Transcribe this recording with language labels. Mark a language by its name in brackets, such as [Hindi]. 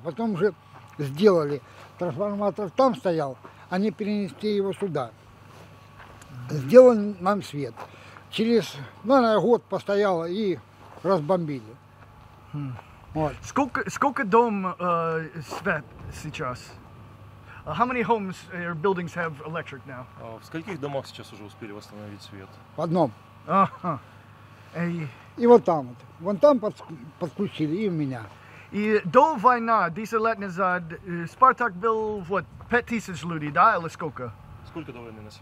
[Russian] Потом же сделали. Трансформатор там стоял. Они перенесли его сюда. Сделан нам свет. Через, наверное, год постоял и разбомбили. Хм. Вот. Сколько дом свет сейчас? [English] How many homes or buildings have electric now? [Russian] В скольких домах сейчас уже успели восстановить свет? В одном. Ага. И вот там. Вон там подключили и меня. И до войны, 10 лет назад, Спартак был, вот, 5000 людей, да, или сколько? Сколько